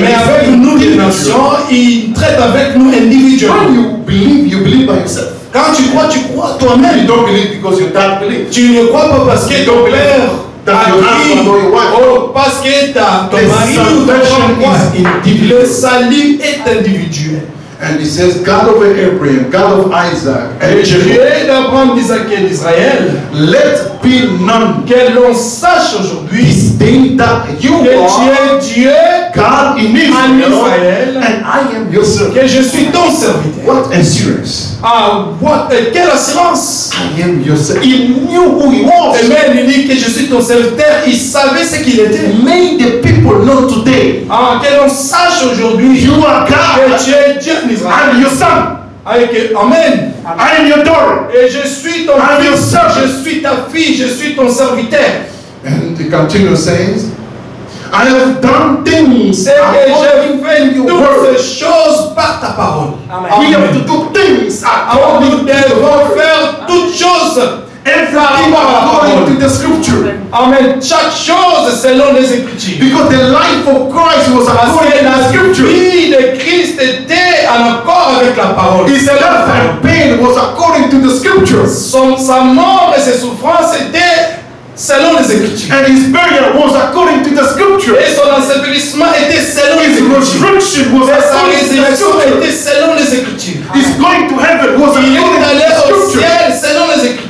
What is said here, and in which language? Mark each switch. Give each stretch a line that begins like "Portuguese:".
French: mais avec nous les nations, il traite avec nous individuellement.
English: When you believe by yourself.
French: Quand tu crois toi-même.
English: You don't believe because your dad believes.
French: Tu ne crois pas parce que ton père parce que ton mari ou ton femme. Le salut est individuel.
English: And he says, God of Abraham, God of Isaac, and
French: Dieu d'Abraham, d'Isaac et d'Israël,
English: let be known,
French: que l'on sache aujourd'hui,
English: this day that you
French: que
English: are
French: tu es Dieu,
English: God in Israel, Israel, and I am your servant.
French: Que je suis ton serviteur.
English: What assurance.
French: Quelle assurance.
English: I am your servant. He knew who he was.
French: Amen. Il dit que je suis ton serviteur. Il savait ce qu'il était.
English: May the people know today.
French: Que l'on sache aujourd'hui,
English: you are God,
French: que tu es Dieu.
English: I'm your son. Amen. I am your daughter.
French: Et je suis ton
English: fils. I am your servant.
French: Je suis ta fille. Je suis ton serviteur.
English: And he continues saying, I have done things.
French: Et j'ai fait toutes ces choses par ta parole.
English: Amen. We have to do things.
French: Nous devons faire toutes choses.
English: Everything according to the scripture.
French: Chaque chose selon les écritures.
English: Because the life of Christ was according to the scripture.
French: La vie de Christ était en accord avec la parole.
English: His death and pain was according to the scripture.
French: Sa mort et ses souffrances étaient selon les écritures.
English: And his burial was according to the scripture.
French: Et son ensevelissement était selon les écritures.
English: His resurrection was according to the scripture.
French: Était selon les écritures.
English: His going to heaven was according to the scripture.